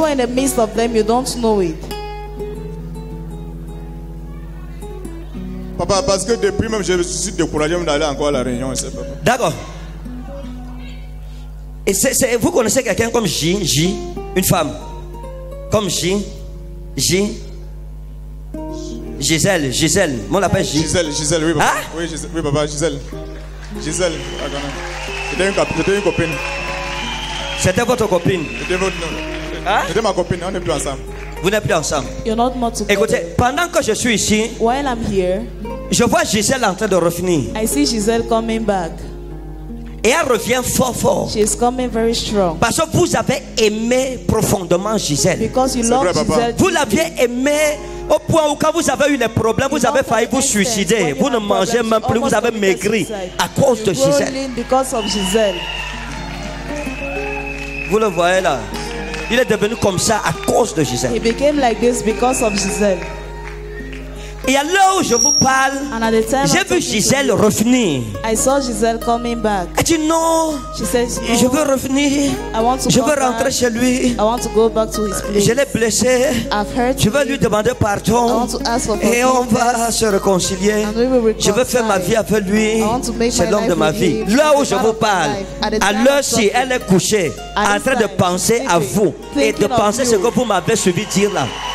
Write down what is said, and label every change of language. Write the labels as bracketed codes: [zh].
[en] Are in the midst of them, you don't know it. [fr] papa, parce que depuis même, je me suis découragé d'aller encore à la réunion. C'est papa. D'accord. Et c'est, vous connaissez quelqu'un comme J, une femme. Comme J. Gisèle. Moi, on l'appelle J. Gisèle, oui, papa. Hein? Oui, Gisèle, oui, papa, Gisèle. Gisèle, d'accord. C'était une copine. C'était votre copine. C'était votre. Hein? C'était ma copine, on n'est plus ensemble. Vous n'êtes plus ensemble. [en] You're not more together. [fr] Écoutez, pendant que je suis ici, [en] while I'm here, [fr] je vois Gisèle en train de revenir. [en] I see Gisèle coming back. [fr] Et elle revient fort. [en] She's coming very strong. [fr] Parce que vous avez aimé profondément Gisèle. [en] Because you love Gisèle. [fr] Vous l'aviez aimé au point où quand vous avez eu des problèmes, vous avez failli vous suicider. Vous ne mangez même plus, vous avez maigri à cause de Gisèle. [en] Because of Gisèle. [fr] Vous le voyez là. Il est devenu comme ça à cause de Gisèle. [en] He became like this because of Gisèle. [fr] Et à l'heure où je vous parle, j'ai vu Gisèle revenir. [en] I saw Gisèle coming back. [fr] Elle dit non. [en] She says no. [fr] Je veux revenir. [en] I want to [fr] je veux rentrer [en] back. [fr] Chez lui. [en] I want to go back to his place. [fr] Je l'ai blessé. [en] I've hurt [fr] je veux lui demander pardon. [en] I want to ask for [fr] et on va se réconcilier. [en] And we will reconcile. [fr] Je veux faire ma vie avec lui. C'est l'homme de ma vie. Là où je vous parle, à l'heure si elle est couchée, en train de penser à vous et de penser ce que vous m'avez suivi dire là.